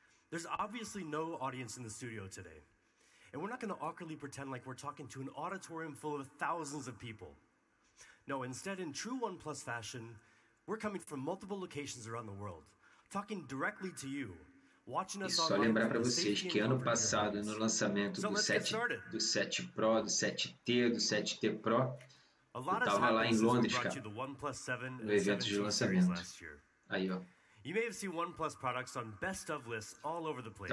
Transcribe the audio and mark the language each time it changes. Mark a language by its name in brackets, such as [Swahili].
[English] There's obviously no audience in the studio today, and we're not going to awkwardly pretend like we're talking to an auditorium full of thousands of people. No, instead, in true OnePlus fashion, we're coming from multiple locations around the world, talking directly to you. [Portuguese] E só lembrar para vocês que ano passado, no lançamento do 7 Pro, do 7T, do 7T Pro, eu estava lá em Londres, cara, no evento de lançamento. Aí, ó. [English] You may have seen OnePlus products on best of lists all over the place.